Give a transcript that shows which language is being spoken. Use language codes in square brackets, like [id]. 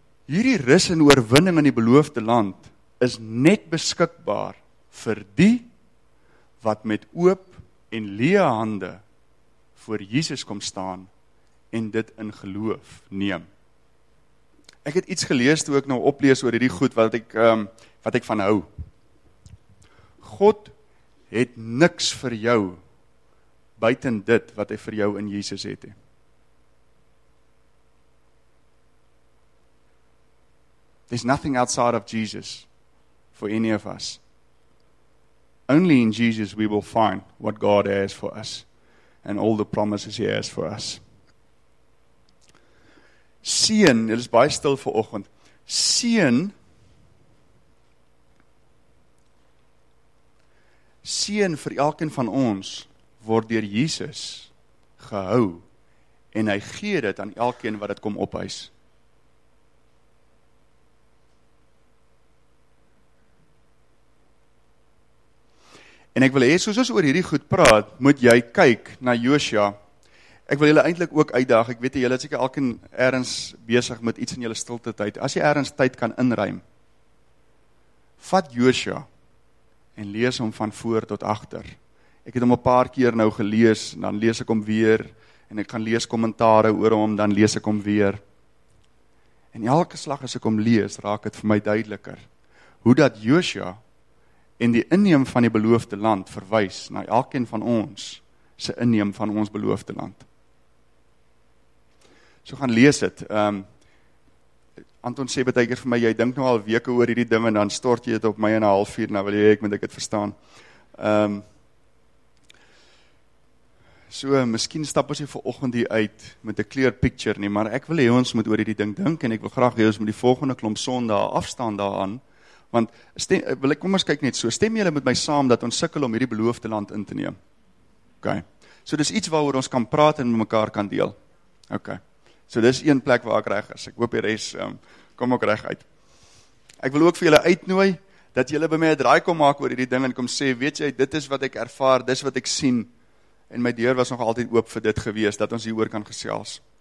[af] Hierdie rus en oorwinning in die beloofde land is net beskikbaar vir die wat met oop en leë hande voor Jesus kom staan en dit in geloof neem. Ek het iets gelees toe ook nou oplees oor hierdie goed wat ek van hou. God het niks vir jou buiten dit wat hy vir jou in Jesus het. [en] There's nothing outside of Jesus for any of us. Only in Jesus we will find what God has for us and all the promises he has for us. [af] Seën, dit is baie stil vir oggend. Seën vir elkeen van ons word deur Jesus gehou en hy gee dit aan elkeen wat dit kom opeis. En ek wil hê soos ons oor hierdie goed praat, moet jy kyk na Josua. Ek wil julle eintlik ook uitdaag. Ek weet julle is seker elkeen ergens besig met iets in julle stilte tyd. As jy ergens tyd kan inruim, vat Josua en lees hom van voor tot agter. Ek het hom 'n paar keer nou gelees, dan lees ek hom weer, en ek gaan lees kommentare oor hom, dan lees ek hom weer. En elke slag as ek hom lees, raak het vir my duideliker, hoe dat Josua en die inneem van die beloofde land verwys na elkeen van ons, se inneem van ons beloofde land. So gaan lees het, Anton sê betyker vir my, jy dink nou al weke oor hierdie ding, en dan stort jy het op my in 'n half uur, nou wil jy, ek moet ek het verstaan. So, miskien stap ons hier vanoggend hier uit, met 'n clear picture nie, maar ek wil hê ons moet oor hierdie ding dink, en ek wil graag hê ons moet die volgende klomp Sondae afstaan daaraan, want, kom ons kyk net so, stem julle met my saam, dat ons sukkel om hierdie beloofde land in te neem. Ok, so dis iets waar ons kan praat en met mekaar kan deel. Ok. So dis een plek waar ek reg is, ek hoop die res kom ook reg uit. Ek wil ook vir julle uitnooi, dat julle by my 'n draai kom maak oor hierdie ding, en kom sê, weet jy, dit is wat ek ervaar, dit is wat ek sien, en my deur was nog altyd oop vir dit gewees, dat ons hieroor kan gesels.